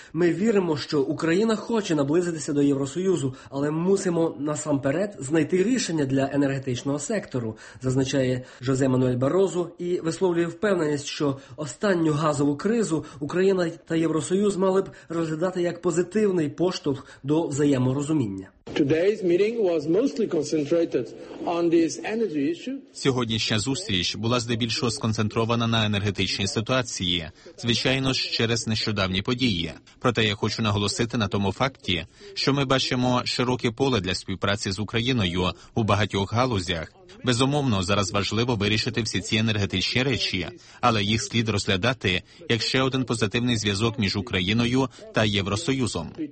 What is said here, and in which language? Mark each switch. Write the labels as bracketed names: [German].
[Ukrainian] Ми віримо, що Україна хоче наблизитися до Євросоюзу, але мусимо насамперед знайти рішення для енергетичного сектору, зазначає Жозе Мануель Барозу і висловлює впевненість, що останню газову кризу Україна та Євросоюз мали б розглядати як позитивний поштовх до взаєморозуміння. [English] Today's meeting was mostly concentrated on this energy issue. [Ukrainian] Сьогоднішня зустріч була здебільшого сконцентрована на енергетичній ситуації, звичайно ж, через нещодавні події. Проте я хочу наголосити на тому факті, що ми бачимо широке поле для співпраці з Україною у багатьох галузях. Безумовно, зараз важливо вирішити всі ці енергетичні речі, але їх слід розглядати як ще один позитивний зв'язок між Україною та Євросоюзом.